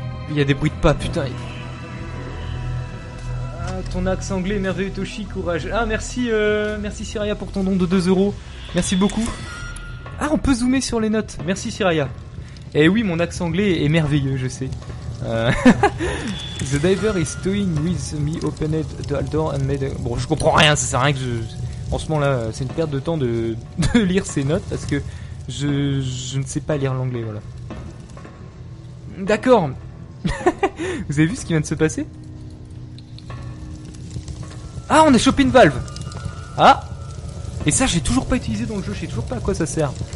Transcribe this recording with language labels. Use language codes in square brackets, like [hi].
[fr] Il y a des bruits de pas, putain. Ton axe anglais merveilleux Toshi, courage. Ah merci, merci Syria pour ton don de 2€. Merci beaucoup. Ah, on peut zoomer sur les notes. Merci Syria. Eh oui, mon axe anglais est merveilleux, je sais. [en] The diver is toying with me, opened the door and made. [fr] Bon, je comprends rien, ça sert à rien que je. En ce moment là, c'est une perte de temps de lire ces notes parce que je ne sais pas lire l'anglais, voilà. D'accord. Vous avez vu ce qui vient de se passer? Ah, on a chopé une valve! Ah! Et ça, j'ai toujours pas utilisé dans le jeu, je sais toujours pas à quoi ça sert.